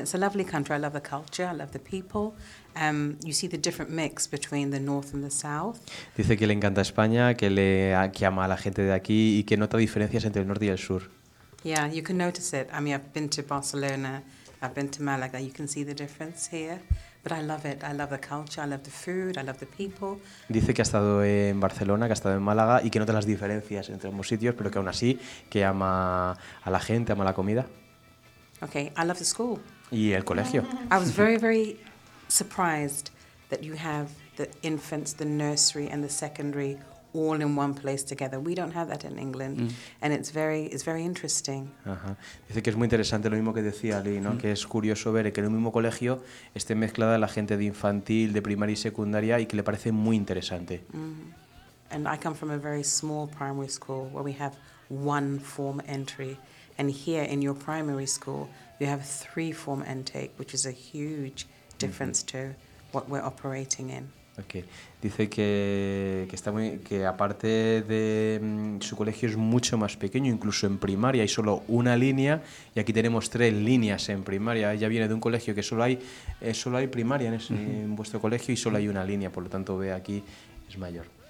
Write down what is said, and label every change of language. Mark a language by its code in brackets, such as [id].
[en] It's a lovely country. I love the culture. I love the people. You see the different mix between the north and the south. [es] Dice que le encanta España, que ama a la gente de aquí y que nota diferencias entre el norte y el sur. [en] Yeah, you can notice it. I mean, I've been to Barcelona, I've been to Malaga. You can see the difference here. But I love it. I love the culture, I love the food, I love the people. [es] Dice que ha estado en Barcelona, que ha estado en Málaga y que nota las diferencias entre ambos sitios, pero que aún así que ama a la gente, ama la comida. [en] Okay, I love the school. [es] Y el colegio. [en] I was very, very surprised that you have the infants, the nursery and the secondary all in one place together. We don't have that in England, and it's very interesting. Ajá. [es] Dice que es muy interesante lo mismo que decía Lee, ¿no? Que es curioso ver que en un mismo colegio esté mezclada la gente de infantil, de primaria y secundaria, y que le parece muy interesante. [en] And I come from a very small primary school where we have one form entry, and here in your primary school you have three form intake, which is a huge difference to what we're operating in. Okay. [es] Dice que está muy, que aparte de su colegio es mucho más pequeño, incluso en primaria hay solo una línea y aquí tenemos tres líneas en primaria. Ella viene de un colegio que solo hay primaria en en vuestro colegio y solo hay una línea, por lo tanto ve aquí es mayor.